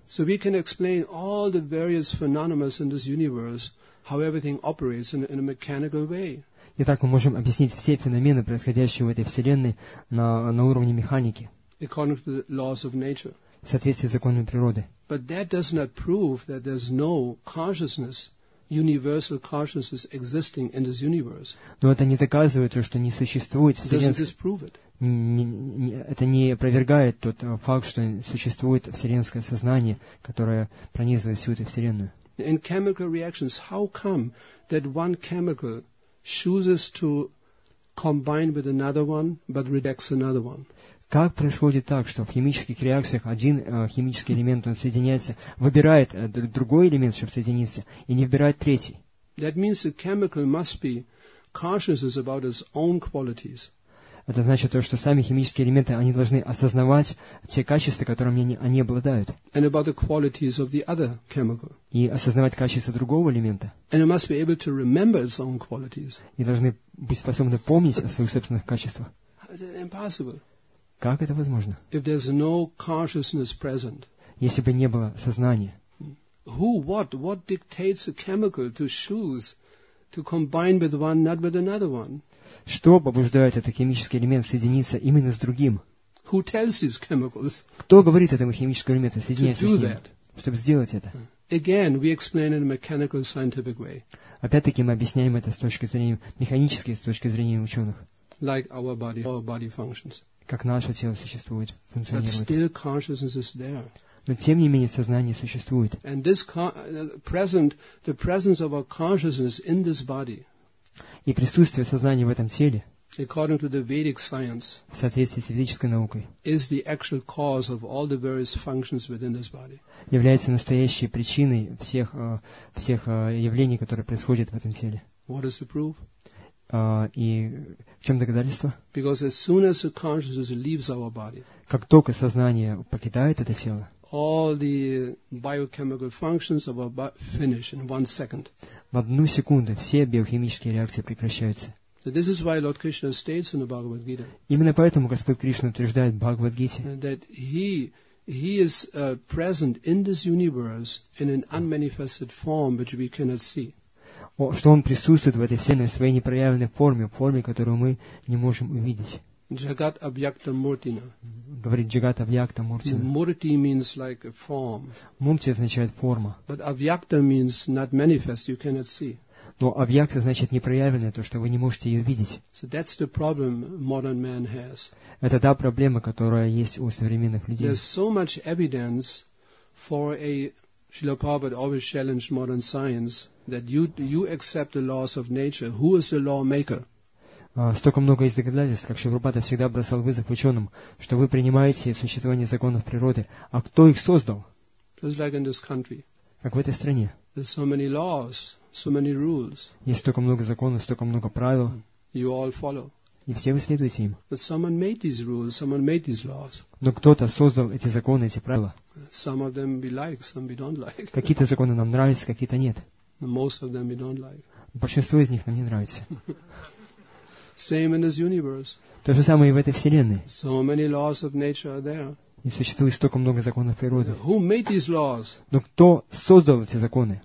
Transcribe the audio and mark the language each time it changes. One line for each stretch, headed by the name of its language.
English: So we can explain all the various phenomena in this universe, how everything operates in a mechanical way.
Russian: Итак, мы можем объяснить все феномены, происходящие в этой вселенной, на уровне механики.
English: According to the laws of nature.
Russian: В соответствии с законами природы.
English: But that does not prove that there's no consciousness, universal consciousness existing in this universe.
Russian: Но это не доказывает то, что не существует вселенной.
English: Doesn't disprove it.
Russian: Это не опровергает тот факт, что существует вселенское сознание, которое пронизывает всю эту вселенную.
English: In chemical reactions, how come that one chemical chooses to combine with another one, but rejects another one?
Russian: Как происходит так, что в химических реакциях один химический элемент он соединяется, выбирает другой элемент, чтобы соединиться, и не выбирает третий?
English: That means the chemical must be conscious about its own qualities.
Russian: Это значит то, что сами химические элементы, они должны осознавать те качества, которыми они обладают.
English: And about the qualities of the other chemical.
Russian: И осознавать качества другого элемента.
English: And it must be able to remember its own qualities.
Russian: И должны быть способны помнить о своих собственных качествах.
English: Impossible.
Russian: Как это возможно?
English: If there's no consciousness present.
Russian: Если бы не было сознания.
English: Who, what dictates a chemical to choose to combine with one, not with another one?
Russian: Что побуждает этот химический элемент соединиться именно с другим?
English: Who tells these chemicals?
Russian: Кто говорит этому химическому элементу соединяться с ним, чтобы сделать это?
English: again, we explain in a mechanical scientific way.
Russian: Опять-таки мы объясняем это с точки зрения механической, с точки зрения ученых.
English: Like our body functions.
Russian: Как наше тело существует, функционирует.
English: But still consciousness is there.
Russian: Но тем не менее сознание существует.
English: And this the presence of our consciousness in this body.
Russian: И присутствие сознания в этом теле.
English: According to the Vedic science,
Russian: в соответствии с ведической наукой,
English: is the actual cause of all the various functions within this body.
Russian: Является настоящей причиной всех всех явлений, которые происходят в этом теле.
English: What is the proof?
Russian: И в чем доказательство?
English: Because as soon as the consciousness leaves our body,
Russian: как только сознание покидает это тело,
English: all the biochemical functions of our body finish in one second.
Russian: В одну секунду все биохимические реакции прекращаются.
English: So this is why Lord Krishna states in the Bhagavad Gita.
Russian: Именно поэтому Господь Кришна утверждает в Бхагавад Гите,
English: that he is present in this universe in an unmanifested form which we cannot see.
Russian: Что он присутствует в этой вселенной в своей непроявленной форме, в форме, которую мы не можем увидеть.
Sanskrit: Джагат абьякта муртина.
Russian: Говорит
Sanskrit: Джагат абьякта муртина.
English: Мурти means like a form.
Russian: Мурти означает форма.
English: But абьякта means not manifest, you cannot see.
Russian: Но абьякта значит непроявленное, то, что вы не можете ее видеть.
English: So that's the problem modern man has.
Russian: Это та проблема, которая есть у современных людей.
English: There's so much evidence for a... Srila Prabhupada always challenged modern science that you accept the laws of nature. Who is the lawmaker?
Russian: Столько много есть доказательств, как Шрила Прабхупада всегда бросал вызов ученым, что вы принимаете существование законов природы. А кто их создал?
English: Just like in this country.
Russian: Как в этой стране.
English: There's so many laws, so many rules.
Russian: Есть столько много законов, столько много правил.
English: You all follow.
Russian: И все вы следуете им.
English: But someone made these rules, someone made these laws.
Russian: Но кто-то создал эти законы, эти правила.
English: Some of them we like, some we don't like.
Russian: Какие-то законы нам нравятся, какие-то нет.
English: Most of them we don't like.
Russian: Большинство из них нам не нравится.
English: Same in this universe.
Russian: То же самое и в этой вселенной.
English: So many laws of nature are there.
Russian: И существует столько много законов природы.
English: Who made these laws?
Russian: Но кто создал эти законы?